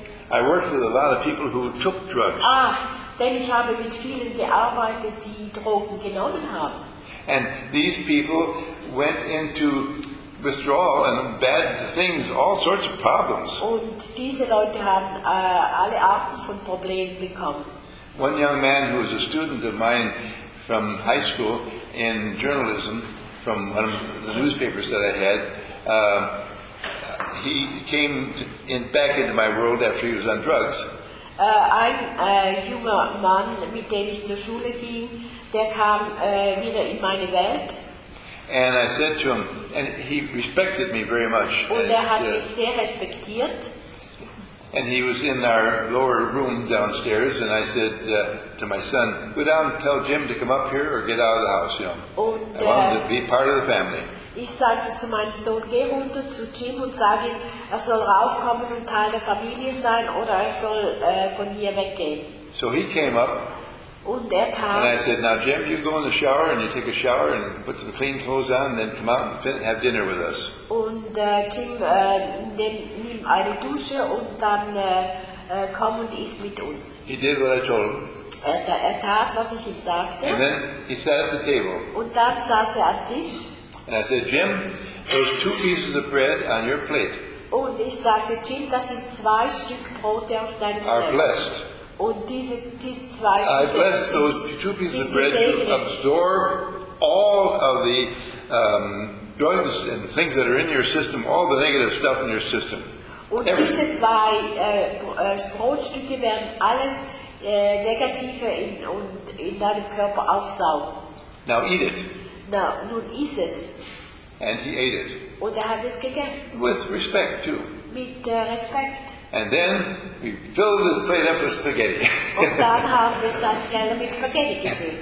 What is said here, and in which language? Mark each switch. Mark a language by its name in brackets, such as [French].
[English] I worked with a lot of people who took drugs. [German] Ah, denn ich habe mit vielen gearbeitet, die Drogen genommen haben. [English] And these people went into withdrawal and bad things, all sorts of problems. [German] Und diese Leute haben alle Arten von Problemen bekommen. [English] One young man who was a student of mine from high school in journalism, from one of the newspapers that I had, he came back into my world after he was on drugs. [German] Ein junger Mann, mit dem ich zur Schule ging, der kam wieder in meine Welt. [English] And I said to him, and he respected me very much. [German] Und hat mich sehr respektiert. [English] And he was in our lower room downstairs, and I said to my son, go down and tell Jim to come up here or get out of the house, you know. [German] Und, [English] I wanted to be part of the family. [German] Ich sagte zu meinem Sohn, geh runter zu Jim und sag ihm, er soll raufkommen und Teil der Familie sein oder er soll von hier weggehen. [English] So he came up. [German] Und er kam. [English] And I said, now Jim, you go in the shower and you take a shower and put some clean clothes on and then come out and have dinner with us. [German] Und Jim nimm eine Dusche und dann komm und iss mit uns. [English] He did what I told him. [German] Er tat, was ich ihm sagte. [English] And then he sat at the table. [German] Und dann saß er am Tisch. [English] And I said, Jim, those two pieces of bread on your plate. [German] Und ich sagte, Jim, das sind zwei Stück Brote auf deinem Teller. [English] Are blessed. [German] Und diese zwei Stücke. [English] I bless those two pieces of bread to absorb all of the drugs and things that are in your system, all the negative stuff in your system. [German] Und diese zwei Brotstücke werden alles negative in deinem Körper aufsaugen. [English] Now eat it. [German] Now, nun iss es. [English] And he ate it. [German] Und hat es gegessen. [English] With respect too. [German] Mit Respekt. [English] And then we filled his plate up with spaghetti. [German] Und dann haben wir seinen Teller mit Spaghetti gefüllt.